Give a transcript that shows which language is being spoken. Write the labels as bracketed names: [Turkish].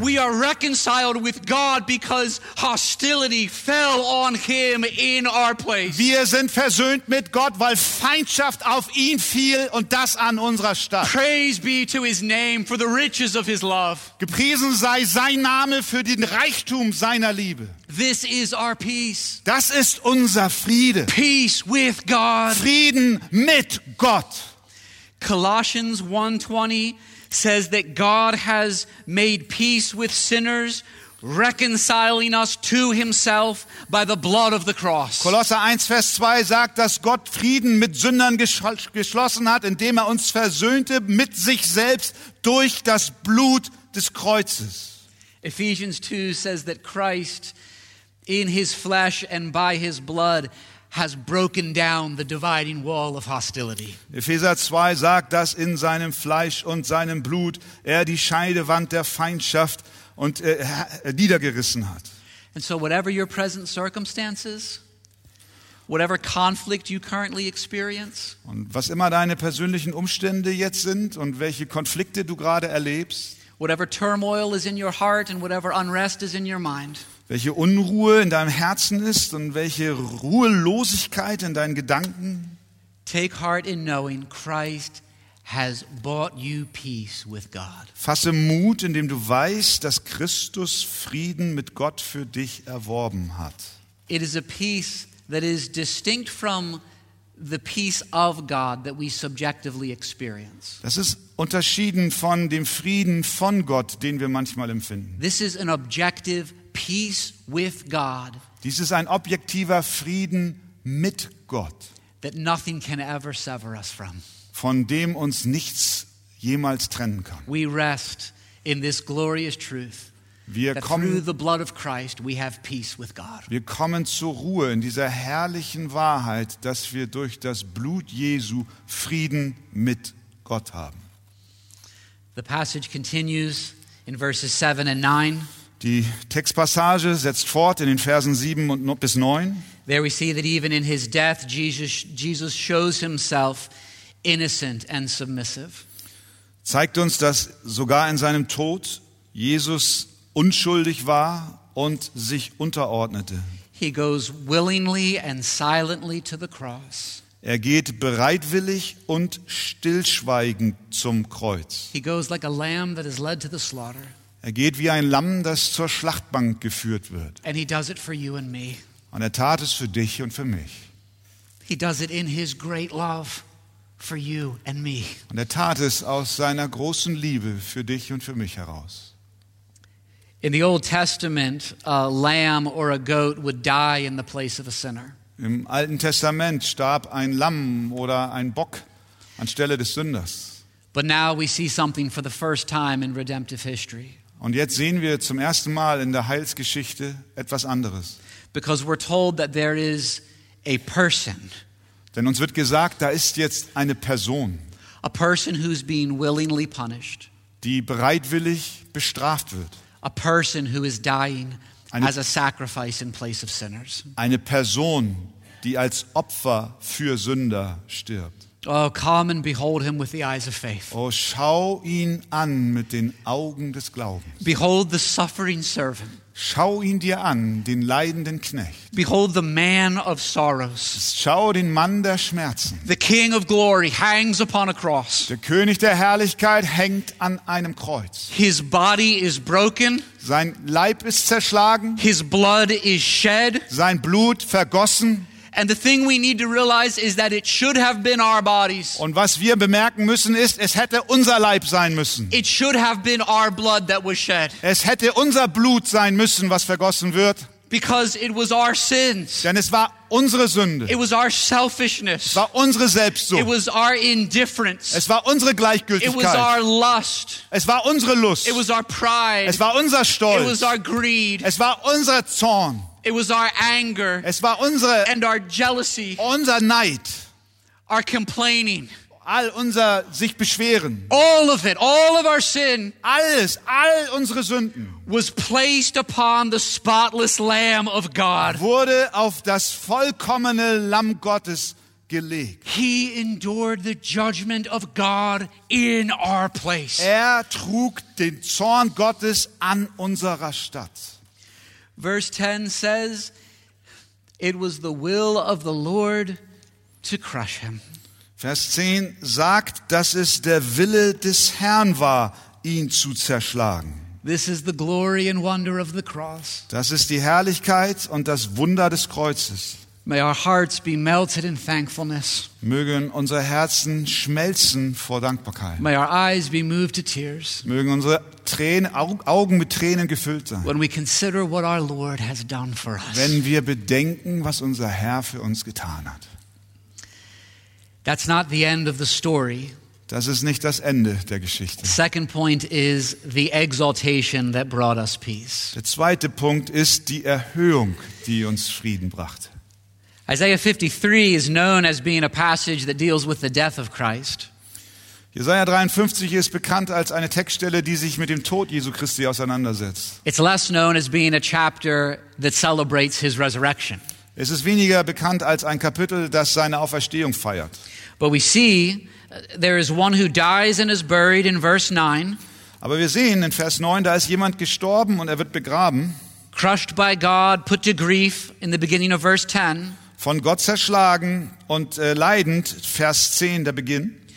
[English] We are reconciled with God because hostility fell on him in our place. [German] Wir sind versöhnt mit Gott, weil Feindschaft auf ihn fiel und das an unserer Stadt. [English] Praise be to his name for the riches of his love. [German] Gepriesen sei sein Name für den Reichtum seiner Liebe. [English] This is our peace. [German] Das ist unser Friede. [English] Peace with God. [German] Frieden mit Gott. [English] Colossians 1:20 says that God has made peace with sinners, reconciling us to himself by the blood of the cross. [German] Kolosser 1, Vers 2 sagt, dass Gott Frieden mit Sündern geschlossen hat, indem uns versöhnte mit sich selbst durch das Blut des Kreuzes. [English] Ephesians 2 says that Christ in his flesh and by his blood has broken down the dividing wall of hostility. [German] Epheser 2 sagt, dass in seinem Fleisch und seinem Blut die Scheidewand der Feindschaft und niedergerissen hat. [English] And so whatever your present circumstances, whatever conflict you currently experience, [German] und was immer deine persönlichen Umstände jetzt sind und welche Konflikte du gerade erlebst, [English] whatever turmoil is in your heart and whatever unrest is in your mind. [German] Welche Unruhe in deinem Herzen ist und welche Ruhelosigkeit in deinen Gedanken. [English] Take heart in knowing Christ has bought you peace with God. [German] Fasse Mut, indem du weißt, dass Christus Frieden mit Gott für dich erworben hat. [English] It is a peace that is distinct from the peace of God that we subjectively experience. [German] Das ist unterschieden von dem Frieden von Gott, den wir manchmal empfinden. [English] This is an objective peace with God. [German] Dies ist ein objektiver Frieden mit Gott. [English] That nothing can ever sever us from. [German] Von dem uns nichts jemals trennen kann. [English] We rest in this glorious truth. [German] Wir kommen, [English] through the blood of Christ, we have peace with God. [German] Wir kommen zur Ruhe in dieser herrlichen Wahrheit, dass wir durch das Blut Jesu Frieden mit Gott haben. [English] The passage continues in verses 7 and 9. [German] Die Textpassage setzt fort in den Versen 7 und bis 9. [English] There we see that even in his death, Jesus shows himself innocent and submissive. [German] Zeigt uns, dass sogar in seinem Tod Jesus unschuldig war und sich unterordnete. [English] He goes willingly and silently to the cross. [German] Er geht bereitwillig und stillschweigend zum Kreuz. [English] He goes like a lamb that is led to the slaughter. [German] Er geht wie ein Lamm, das zur Schlachtbank geführt wird. [English] And he does it for you and me. [German] Und er tat es für dich und für mich. [English] He does it in his great love for you and me. [German] Und er tat es aus seiner großen Liebe für dich und für mich heraus. [English] In the Old Testament, a lamb or a goat would die in the place of a sinner. [German] Im Alten Testament starb ein Lamm oder ein Bock anstelle des Sünders. [English] But now we see something for the first time in redemptive history. [German] Und jetzt sehen wir zum ersten Mal in der Heilsgeschichte etwas anderes. [English] Because we're told that there is a person. [German] Denn uns wird gesagt, da ist jetzt eine Person. [English] A person who's being willingly punished. [German] Die bereitwillig bestraft wird. [English] A person who is dying as a sacrifice in place of sinners. [German] Eine Person, die als Opfer für Sünder stirbt. [English] Oh, come and behold him with the eyes of faith. [German] Oh, schau ihn an mit den Augen des Glaubens. [English] Behold the suffering servant. [German] Schau ihn dir an, den leidenden Knecht. [English] Behold the man of sorrows. [German] Schau den Mann der Schmerzen. [English] The king of glory hangs upon a cross. [German] Der König der Herrlichkeit hängt an einem Kreuz. [English] His body is broken. [German] Sein Leib ist zerschlagen. [English] His blood is shed. [German] Sein Blut vergossen. [English] And the thing we need to realize is that it should have been our bodies. [German] Und was wir bemerken müssen ist, es hätte unser Leib sein müssen. [English] It should have been our blood that was shed. [German] Es hätte unser Blut sein müssen, was vergossen wird. [English] Because it was our sins. [German] Denn es war unsere Sünde. [English] It was our selfishness. [German] Es war unsere Selbstsucht. [English] It was our indifference. [German] Es war unsere Gleichgültigkeit. [English] It was our lust. [German] Es war unsere Lust. [English] It was our pride. [German] Es war unser Stolz. [English] It was our greed. [German] Es war unser Zorn. [English] It was our anger. [German] Es war unsere [English] and our jealousy. [German] Unser Neid. [English] Our complaining. [German] All unser sich beschweren. [English] All of it, all of our sin. [German] Alles, all unsere Sünden. [English] Was placed upon the spotless Lamb of God. [German] Wurde auf das vollkommene Lamm Gottes gelegt. [English] He endured the judgment of God in our place. [German] Er trug den Zorn Gottes an unserer Stadt. [English] Verse 10 says, it was the will of the Lord to crush him. [German] Vers 10 sagt, dass es der Wille des Herrn war, ihn zu zerschlagen. [English] This is the glory and wonder of the cross. [German] Das ist die Herrlichkeit und das Wunder des Kreuzes. [English] May our hearts be melted in thankfulness. [German] Mögen unsere Herzen schmelzen vor Dankbarkeit. [English] May our eyes be moved to tears. [German] Mögen unsere Augen mit Tränen gefüllt sein. [English] When we consider what our Lord has done for us. [German] Wenn wir bedenken, was unser Herr für uns getan hat. [English] That's not the end of the story. [German] Das ist nicht das Ende der Geschichte. [English] Second point is the exaltation that brought us peace. [German] Der zweite Punkt ist die Erhöhung, die uns Frieden brachte. [English] Isaiah 53 is known as being a passage that deals with the death of Christ. [German] Jesaja 53 ist bekannt als eine Textstelle, die sich mit dem Tod Jesu Christi auseinandersetzt. [English] It's less known as being a chapter that celebrates his resurrection. [German] Es ist weniger bekannt als ein Kapitel, das seine Auferstehung feiert. [English] But we see there is one who dies and is buried in verse 9. [German] Aber wir sehen in Vers 9, da ist jemand gestorben und er wird begraben. [English] Crushed by God, put to grief in the beginning of verse 10. [German] Von Gott zerschlagen und leidend, Vers 10, der Beginn.